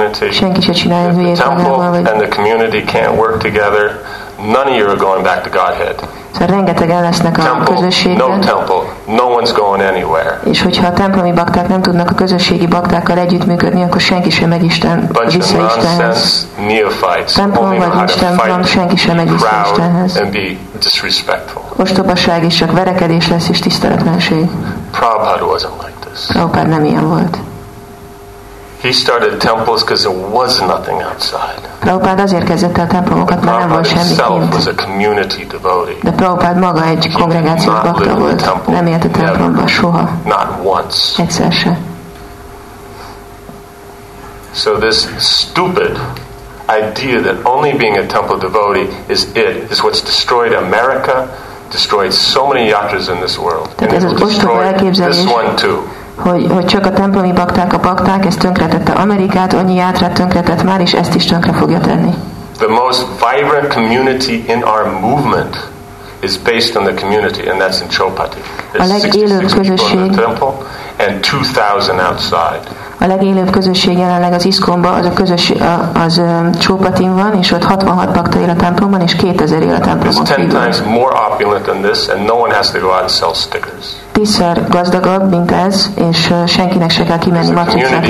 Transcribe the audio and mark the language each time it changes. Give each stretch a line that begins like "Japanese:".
Hungarian: Senki se csinálja hülyét magával, vagy...
English: And the community can't work together, none of you are going back to Godhead.
Hungarian: Szóval rengetegen lesznek a közösségben.
English: No temple, no one's going anywhere.
Hungarian: És hogyha a templomi bakták nem tudnak a közösségi baktákkal együttműködni, akkor senki sem megy Isten, vissza Istenhez. Templom vagy Isten, van, senki sem megy vissza Istenhez.
English: And be disrespectful.
Hungarian: Ostobaság is csak verekedés lesz és tiszteletlenség.
English: Prabhupada wasn't like this.
Hungarian: Prabhupada nem ilyen volt.
English: He started temples because there was nothing outside.
Hungarian: Prabhupada azért kezdett el templomokat, mert nem volt semmi kint. De Prabhupada maga egy kongregáció bakta volt. Nem élt a templomban soha.
English: Not once.
Hungarian: Egyszer se.
English: So this stupid idea that only being a temple devotee is it is what's destroyed America, destroyed so many yatras in this world.
Hungarian: Tehát ez az ostoba elképzelés,
English: this one too.
Hungarian: Hogy csak a templomi bakták a bakták, ez tönkretette Amerikát, annyi játrát tönkretett már, és ezt is tönkre fogja tenni.
English: The most vibrant community in our movement is based on the community, and that's in Chopati.
Hungarian: A legélőbb közösség.
English: The temple, and 2,000 outside.
Hungarian: A legélőbb közösség jelenleg az Iskomba, az a közösség, az Chopatin van, és ott 66 bakta él a templomban, és 2,000 él a templomban.
English: It's 10 times more opulent than this, and no one has to go out and sell stickers.
Hungarian: Tízszer gazdagabb, mint ez, és senkinek se kell kimenni matricát